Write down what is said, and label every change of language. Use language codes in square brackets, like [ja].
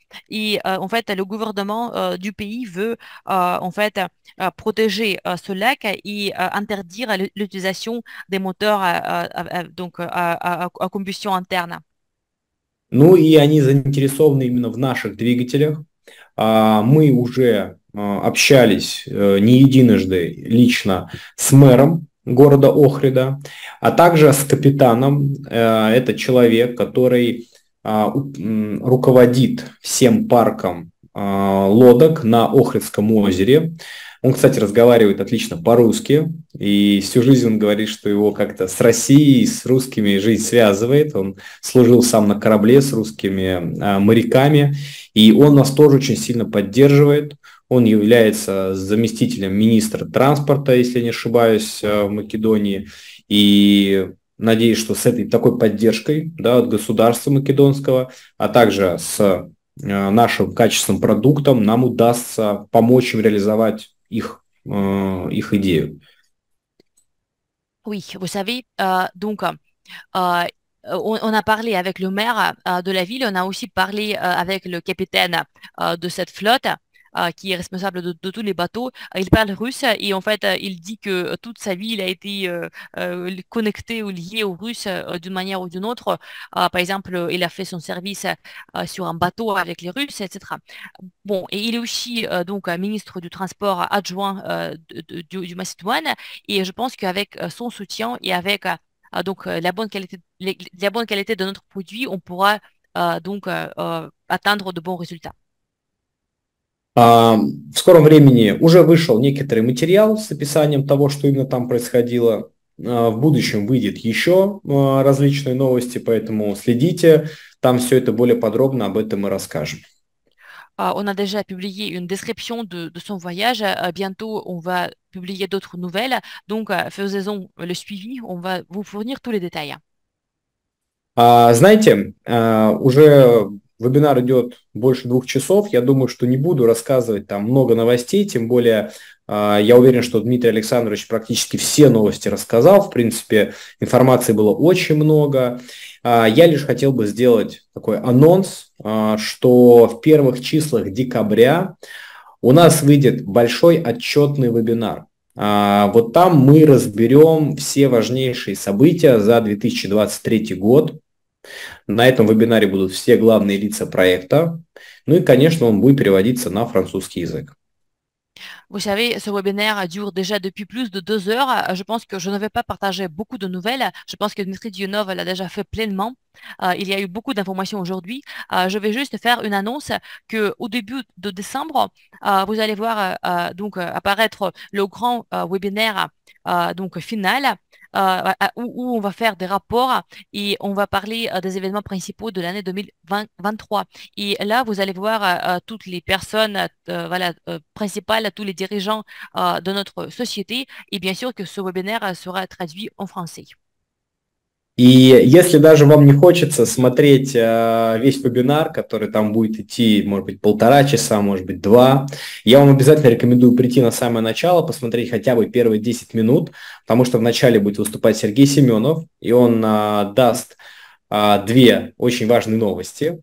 [fr] Et en fait, le gouvernement du pays veut en fait protéger ce lac et interdire l'utilisation des moteurs donc à combustion interne. [ru] Ну и они заинтересованы именно в наших двигателях. Мы уже общались не единожды лично с мэром города Охрида, а также с капитаном. Это человек, который руководит всем парком лодок на Охридском озере. Он, кстати, разговаривает отлично по-русски, и всю жизнь он говорит, что его как-то с Россией, с русскими жизнь связывает. Он служил сам на корабле с русскими моряками, и он нас тоже очень сильно поддерживает. Он является заместителем министра транспорта, если я не ошибаюсь, в Македонии. И надеюсь, что с этой такой поддержкой, да, от государства македонского, а также с нашим качественным продуктом, нам удастся помочь им реализовать их идею. [fr] Oui, vous savez, on a parlé avec le maire de la ville, on a aussi parlé avec le capitaine de cette flotte qui est responsable de tous les bateaux. Il parle russe et en fait, il dit que toute sa ville a été connectée ou liée aux Russes d'une manière ou d'une autre. Par exemple, il a fait son service sur un bateau avec les Russes, etc. Bon, et il est aussi donc ministre du transport adjoint du Macédoine. Et je pense qu'avec son soutien et avec donc la bonne qualité de notre produit, on pourra donc atteindre de bons résultats. [ru] В скором времени уже вышел некоторый материал с описанием того, что именно там происходило. В будущем выйдет еще различные новости, поэтому следите, там все это более подробно об этом мы расскажем. [fr] On a déjà publié une description de son voyage. Bientôt, on va publier d'autres nouvelles. Donc, faisons le suivi. On va vous fournir tous les détails. [ru] Знаете, уже вебинар идет больше 2 часов. Я думаю, что не буду рассказывать там много новостей. Тем более, я уверен, что Дмитрий Александрович практически все новости рассказал. В принципе, информации было очень много. Я лишь хотел бы сделать такой анонс, что в первых числах декабря У нас выйдет большой отчетный вебинар. Вот там мы разберем все важнейшие события за 2023 год. На этом вебинаре будут все главные лица проекта. Ну и, конечно, он будет переводиться на французский язык. [fr] Vous savez, ce webinaire dure déjà depuis plus de 2 heures. Je pense que je ne vais pas partager beaucoup de nouvelles. Je pense que Dmitri Dionov l'a déjà fait pleinement. Il y a eu beaucoup d'informations aujourd'hui. Je vais juste faire une annonce qu'au début de décembre, vous allez voir donc apparaître le grand webinaire donc final. Où on va faire des rapports et on va parler des événements principaux de l'année 2023. Et là, vous allez voir toutes les personnes principales, tous les dirigeants de notre société. Et bien sûr que ce webinaire sera traduit en français. [ru] И если даже вам не хочется смотреть весь вебинар, который там будет идти, может быть, 1,5 часа, может быть, 2, я вам обязательно рекомендую прийти на самое начало, посмотреть хотя бы первые 10 минут, потому что вначале будет выступать Сергей Семенов, и он даст две очень важные новости.